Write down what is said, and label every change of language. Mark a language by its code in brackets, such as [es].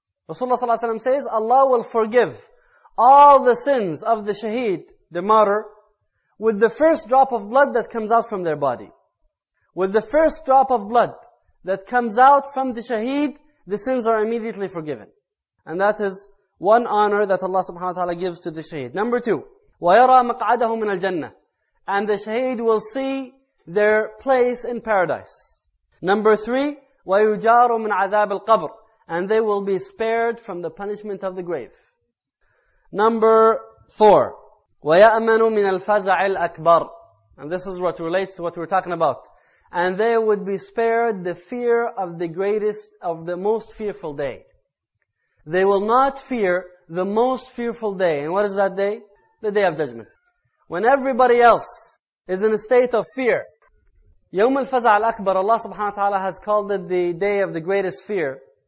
[en] Rasulullah sallallahu alayhi wa sallam says, Allah will forgive all the sins of the shaheed, the martyr, with the first drop of blood that comes out from their body. With the first drop of blood that comes out from the shaheed, the sins are immediately forgiven. And that is one honor that Allah subhanahu wa ta'ala gives to the shaheed. Number two, [ar] وَيَرَى مَقْعَدَهُ مِنَ الْجَنَّةِ. [en] And the shaheed will see their place in paradise. Number three, [ar] وَيُجَارُ مِنْ عَذَابِ الْقَبْرِ. [en] And they will be spared from the punishment of the grave. Number four, [ar] وَيَأْمَنُ مِنَ الْفَزَعِ الْأَكْبَرِ. [en] And this is what relates to what we're talking about. And they would be spared the fear of the greatest, of the most fearful day. They will not fear the most fearful day. And what is that day? The day of judgment. When everybody else is in a state of fear, [ar] يَوْمَ الْفَزَعَ الْأَكْبَرِ, [en] Allah subhanahu wa ta'ala has called it the day of the greatest fear.